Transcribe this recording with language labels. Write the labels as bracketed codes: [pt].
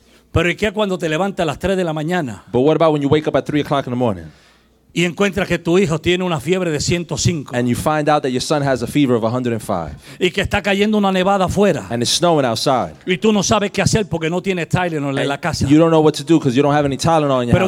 [es] Pero ¿y qué cuando te levantas a las 3 de la mañana? [en] But what about when you wake up at 3 o'clock in the morning? [es] Y encuentras que tu hijo tiene una fiebre de 105. [en] And you find out that your son has a fever of 105. [es] Y que está cayendo una nevada afuera. [en] And it's snowing outside. [es] Y tú no sabes qué hacer porque no tienes Tylenol en la casa. [en] You don't know what to do because you don't have any Tylenol in your house.